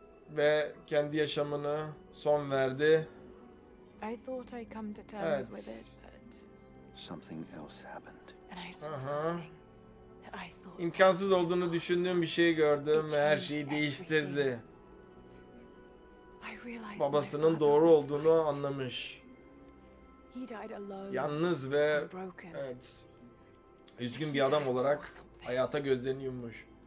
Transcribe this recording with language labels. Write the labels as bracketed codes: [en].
[tr] Ve kendi yaşamını son verdi. [en] I thought I'd come to terms with it, but something else happened. And I saw something that [tr] İmkansız olduğunu düşündüğüm bir şey gördüm ve her şeyi değiştirdi. Babasının doğru olduğunu anlamış. Yalnız ve evet, üzgün bir adam olarak hayata gözlerini yummuş.